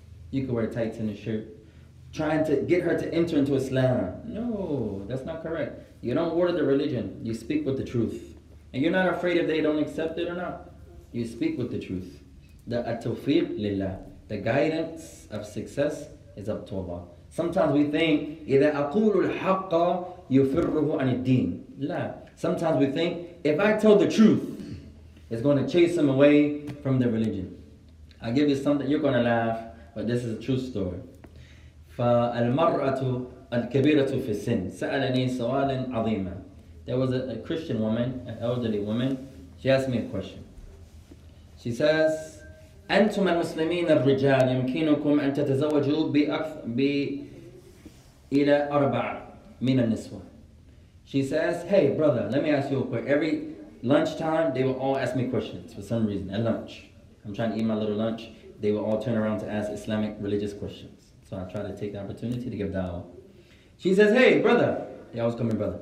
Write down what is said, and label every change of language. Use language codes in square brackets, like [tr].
[en] You can wear tights and a shirt. Trying to get her to enter into Islam. No, that's not correct. You don't order the religion. You speak with the truth. And you're not afraid if they don't accept it or not. You speak with the truth. The at-tawfiq lillah, the guidance of success is up to Allah. Sometimes we think, [ar] إِذَا أَقُولُ الْحَقَّ يُفِرُّهُ عَنِ الدِّينِ لَا. [en] Sometimes we think, if I tell the truth, it's going to chase him away from the religion. I'll give you something, you're going to laugh, but this is a true story. [ar] فالمرأة الكبيرة في السن سألني سؤالا عظيما. [en] There was a Christian woman, an elderly woman. She asked me a question. She says, [ar] أنتم المسلمين الرجال يمكنكم أن تتزوجوا إلى أربع من النسوة. [en] She says, hey brother, let me ask you a question. Every lunchtime, they will all ask me questions for some reason at lunch. I'm trying to eat my little lunch. They will all turn around to ask Islamic religious questions. So I try to take the opportunity to give da'wah. She says, hey, brother. They always call me brother.